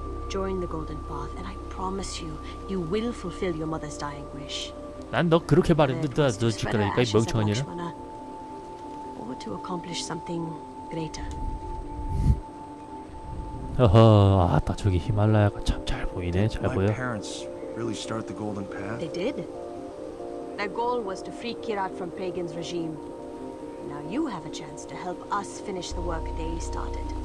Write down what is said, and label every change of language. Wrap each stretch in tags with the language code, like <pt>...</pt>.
<en>Join the golden path and I promise you you will fulfill your mother's dying wish.</en> <ko>난 너 그렇게 말했는데 너 죽을 거니까 이 멍청이야.</ko> <en>Or to accomplish something greater.</en> <ko>어허, 아따 저기 히말라야가 참 잘 보이네. 잘 보여.</ko> <en>My parents really start the golden path. They did. Their goal was to free Kirat from Pagan's regime. Now you have a chance to help us finish the work they started.</en>